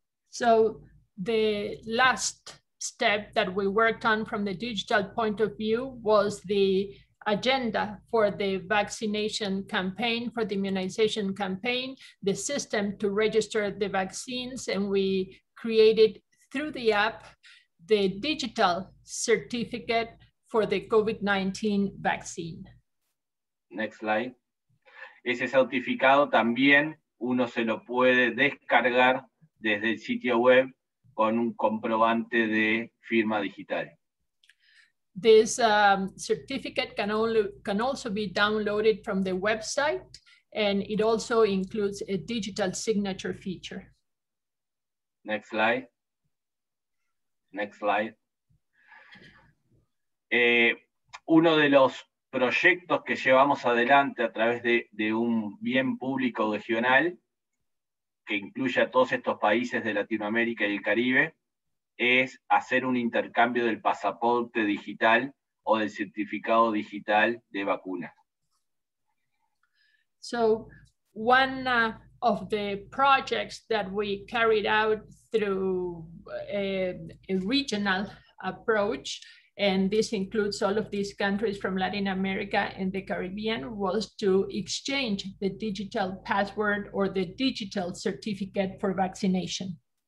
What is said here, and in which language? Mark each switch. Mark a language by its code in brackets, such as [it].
[en] So, the last step that we worked on from the digital point of view was the agenda for the vaccination campaign, for the immunization campaign, the system to register the vaccines, and we created through the app the digital certificate for the COVID-19 vaccine. Next slide. [es] Ese certificado también uno se lo puede descargar desde el sitio web con un comprobante de firma digital. [en] This certificate can also be downloaded from the website, and it also includes a digital signature feature. Next slide. Next slide. [es] Uno de los proyectos que llevamos adelante a través de un bien público regional, que incluye a todos estos países de Latinoamérica y el Caribe, es hacer un intercambio del pasaporte digital o del certificado digital de vacuna. [en] So, one of the projects that we carried out through a regional approach, and this includes all of these countries from Latin America and the Caribbean, was to exchange the digital password or the digital certificate for vaccination.